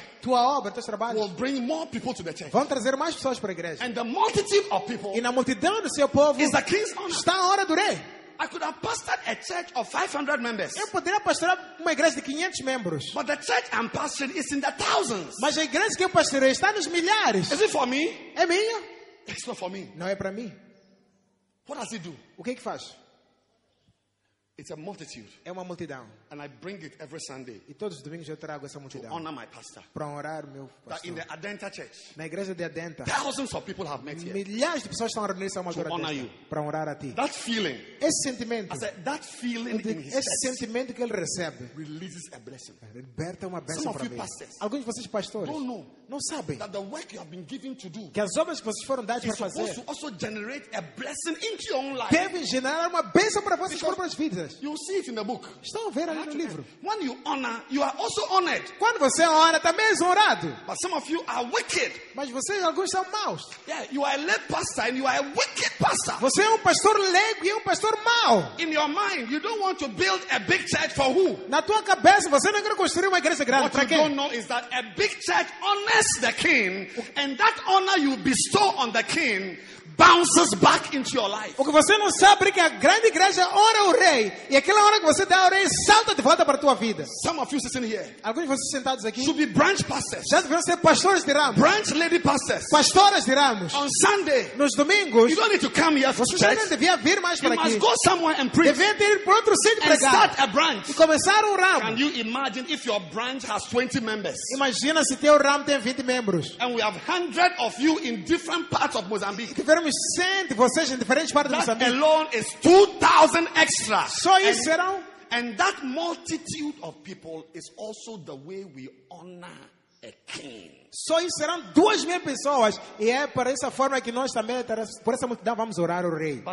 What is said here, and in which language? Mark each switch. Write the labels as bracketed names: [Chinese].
[Portuguese] tua obra, teu trabalho, [English] will bring more people to the church. [Portuguese] Vão trazer mais pessoas para a igreja. [English] And the multitude of people, [Portuguese] e na multidão do seu povo, [English] is the king's honor. [Portuguese] Está a honra do rei. [English] I could have pastored a church of 500 members. [Portuguese] Eu poderia pastorear uma igreja de 500 membros. [English] But the church I'm pastoring is in the thousands. [Portuguese] Mas a igreja que eu pastorei está nos milhares. [English] Is it for me? [Portuguese] É minha? [English] It's not for me. [Portuguese] Não é para mim. [English] What does he do? [Portuguese] O que é que faz? [English] It's a multitude. [Portuguese] É uma multidão. [English] And I bring it every Sunday. [Portuguese] E todos os domingos eu trago essa multidão. [English] To honor my pastor. [Portuguese] Para honrar meu pastor. [English] That in the Adenta Church. [Portuguese] Na igreja de Adenta. [English] Thousands of people have met here. [Portuguese] Milhares de pessoas estão reunidas ao meu lado. [English] To honor you. [Portuguese] Para honrar a ti. [English] That feeling. [Portuguese] Esse sentimento. [English] I said that feeling in his chest. [Portuguese] Esse sentimento que ele recebe. [English] Releases a blessing. [Portuguese] Liberta uma bênção para mim. [English] Some of you pastors. [Portuguese] Alguns de vocês pastores. [English] Don't know. [Portuguese] Não sabem. [English] That the work you have been given to do. [Portuguese] Que as obras que vocês foram dados para fazer. [English] Is supposed to also generate a blessing into your own life. [Portuguese] Deve gerar uma bênção para vocês próprias vidas. [English] You see it in the book. [Portuguese] Estão a ver ali no livro. [English] When you honor, you are also honored. [Portuguese] Quando você honra, também és honrado. [English] But some of you are wicked. [Portuguese] Mas vocês alguns são maus. [English] Yeah, you are a lay pastor and you are a wicked pastor. [Portuguese] Você é pastor leigo e pastor mau. [English] In your mind, you don't want to build a big church for who? [Portuguese] Na tua cabeça, você não quer construir uma igreja grande. [English] What you don't know is that a big church honors the king, and that honor you bestow on the king bounces back into your life. [Portuguese] O que você não sabe é que a grande igreja honra o rei. E aquela hora que você dá a orelha, salta de volta para a tua vida. [English] Some of you sitting here, [Portuguese] alguns de vocês sentados aqui, [English] should be branch pastors, [Portuguese] já deveriam ser pastores de ramos. [English] Branch lady pastors, [Portuguese] pastores de ramos. [English] On Sunday, [Portuguese] nos domingos, [English] you don't need to come here for church. [Portuguese] Você não devia vir mais para aqui. [English] You must go somewhere and preach. [Portuguese] Devia ter ido para outro sítio pregar. [English] And start a branch. [Portuguese] E começar ramo. [English] Can you imagine if your branch has 20 members? [Portuguese] Imagina se teu ramo tem 20 membros. [English] And we have hundreds of you in different parts of Mozambique. [Portuguese] Tivermos 100 de vocês em diferentes partes [English] that [Portuguese] de Mozambique. [English] That alone is 2,000 extra. So is serão, and that multitude of people is also the way we honor a king. [Portuguese] Só isso serão 2,000 pessoas e é por essa forma que nós também por essa multidão vamos orar o rei.